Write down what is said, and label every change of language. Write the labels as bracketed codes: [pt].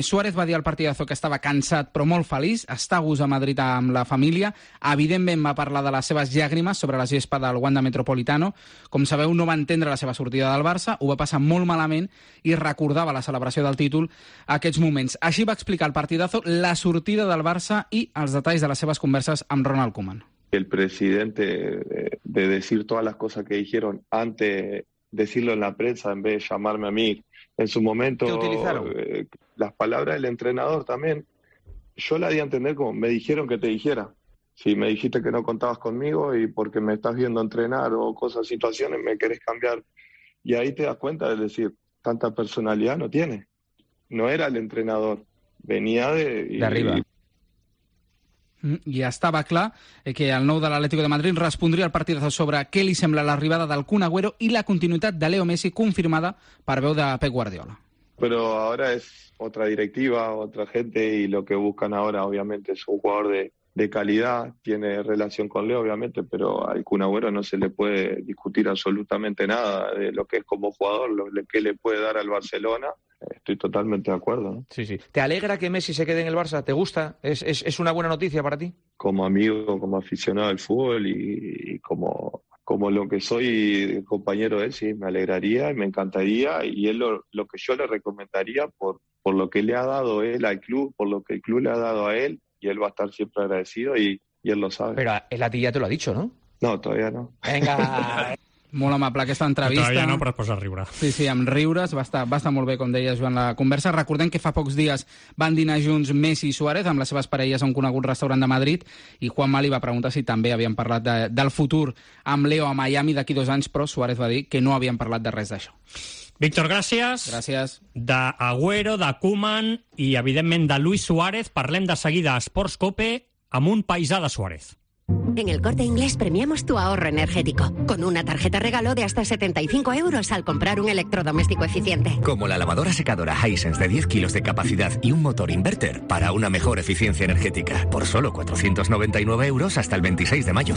[ca] Suárez va dir al partidazo que estava cansat però molt feliç, està a gust a Madrid amb la família, evidentment va parlar de les seves llàgrimes sobre la gespa del Wanda Metropolitano, com sabeu no va entendre la seva sortida del Barça, ho va passar molt malament i recordava la celebració del títol aquests moments. Així va explicar el partidazo la sortida del Barça i els detalls de les seves converses amb Ronald Koeman. [es] El presidente de decir todas las cosas que dijeron antes decirlo en la prensa en vez de llamarme a mí en su momento. ¿Qué utilizaron? Las palabras del entrenador también. Yo la di a entender como me dijeron que te dijera. Si me dijiste que no contabas conmigo y porque me estás viendo entrenar o cosas, situaciones, me querés cambiar. Y ahí te das cuenta de decir, tanta personalidad no tiene. No era el entrenador, venía de... De arriba. [ca] I estava clar que el nou de l'Atlético de Madrid respondria al partidazo sobre què li sembla l'arribada del Kun Agüero i la continuïtat de Leo Messi confirmada per veu de Pep Guardiola. [es] Pero ahora es otra directiva, otra gente, y lo que buscan ahora obviamente es un jugador de calidad, tiene relación con Leo obviamente, pero al Kun Agüero no se le puede discutir absolutamente nada de lo que es como jugador, lo que le puede dar al Barcelona. Estoy totalmente de acuerdo, ¿no? Sí, sí. ¿Te alegra que Messi se quede en el Barça? ¿Te gusta? ¿Es una buena noticia para ti? Como amigo, como aficionado al fútbol y como lo que soy compañero de él, sí, me alegraría y me encantaría. Y es lo que yo le recomendaría por lo que le ha dado él al club, por lo que el club le ha dado a él. Y él va a estar siempre agradecido y él lo sabe. Pero él a ti ya te lo ha dicho, ¿no? No, todavía no. Venga. [ca] Molt amable aquesta entrevista. [es] Todavía no, [ca] però es posa a riure. Sí, sí, amb riures. Va estar molt bé, com deies, Joan, la conversa. Recordem que fa pocs dies van dinar junts Messi i Suárez amb les seves parelles a un conegut restaurant de Madrid i Juanma li va preguntar si també havien parlat del futur amb Leo a Miami d'aquí 2 anys, però Suárez va dir que no havien parlat de res d'això. Víctor, gràcies. Gràcies. D'Agüero, de Koeman i, evidentment, de Luis Suárez. Parlem de seguida a Sports Cope amb un paisà de Suárez. [es] En el Corte Inglés premiamos tu ahorro energético con una tarjeta regalo de hasta 75 euros al comprar un electrodoméstico eficiente. Como la lavadora secadora Hisense de 10 kilos de capacidad y un motor inverter para una mejor eficiencia energética por solo 499 euros hasta el 26 de mayo.